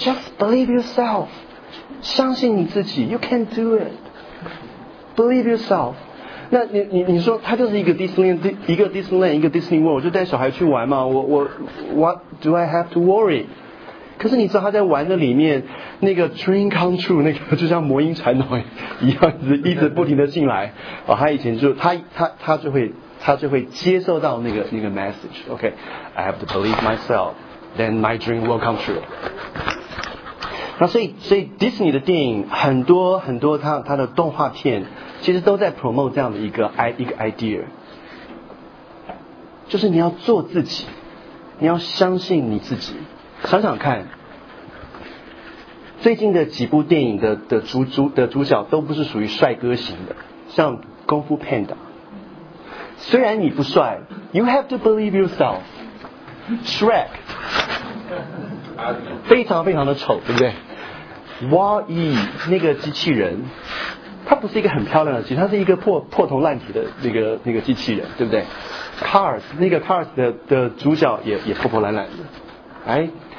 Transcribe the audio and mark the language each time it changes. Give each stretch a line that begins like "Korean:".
English: Just believe yourself，
Chinese: 相信你自己，
English: you can do it， believe yourself。
Chinese: 那你说他就是一个 Disneyland， 一个 Disneyland， 一个 Disney World， 就带小孩去玩嘛，我
English: what do I have to worry？
Chinese: 可是你知道他在玩的里面，那个
English: dream come true，
Chinese: 那个就像魔音传统一样，一直不停的进来。哦，他以前就他就会接受到那个 message。
English: OK， I have to believe myself, then my dream will come true。
Chinese: 那所以 Disney 的电影很多他的动画片，其实都在 promote 这样的一个 idea， 就是你要做自己，你要相信你自己。想想看，最近的几部电影的主角都不是属于帅哥型的，像功夫 Panda。虽然你不帅 ，
English: You have to believe yourself。
Chinese: Shrek 非常非常的丑，对不对 ？Wall-E 那个机器人，它不是一个很漂亮的机器，它是一个破铜烂铁的那个机器人，对不对 ？Cars 那个 Cars 的主角也破破烂烂的，哎。